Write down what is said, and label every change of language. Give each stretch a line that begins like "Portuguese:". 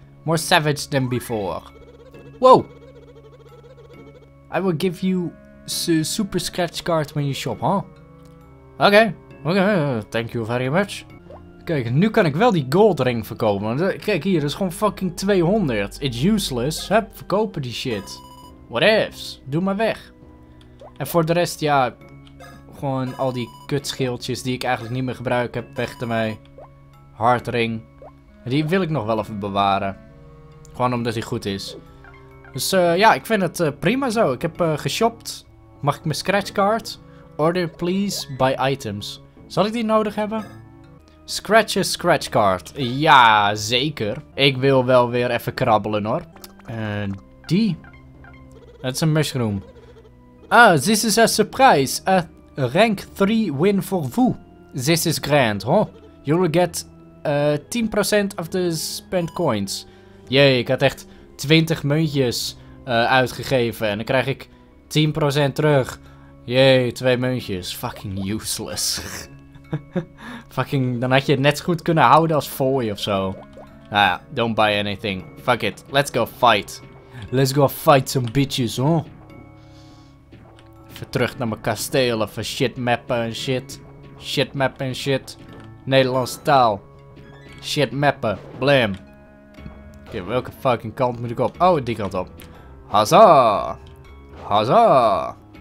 English: More savage than before. Wow. I will give you super scratch card when you shop, huh? Oké. Okay, thank you very much.
Dutch: Kijk, nu kan ik wel die gold ring verkopen. Kijk hier, dat is gewoon fucking 200.
English: It's useless.
Dutch: Hup, verkopen die shit. Whatevs. Doe maar weg. En voor de rest, ja. Gewoon al die kutschildjes die ik eigenlijk niet meer gebruik heb. Weg ermee. Hard ring. Die wil ik nog wel even bewaren. Gewoon omdat die goed is. Dus ja, ik vind het prima zo.
German: Ich habe geshopt.
Dutch: Mag ik mijn scratch card?
English: Order please buy items.
Dutch: Zal ik die nodig hebben?
English: Scratch a scratch card.
Dutch: Ja, zeker. Ik wil wel weer even krabbelen hoor. Die. Dat is een mushroom.
English: Ah, this is a surprise. A rank 3 win for Voo. This is grand, huh? You will get 10% of the spent coins.
Dutch: Jee, ik had echt 20 muntjes uitgegeven. En dan krijg ik 10% terug. Jee, 2 muntjes.
English: Fucking useless.
Dutch: Fucking, dan had je het net zo goed kunnen houden als fooi of zo. Nou ja,
English: don't buy anything. Fuck it. Let's go fight. Let's go fight some bitches, huh?
Dutch: Even terug naar mijn kasteel. Even shit mappen en shit. Shit mappen en shit. Nederlandse taal. Shit mappen. Blam. Oké, welke fucking kant moet ik op? Oh, die kant op. Huzzah! Huzzah!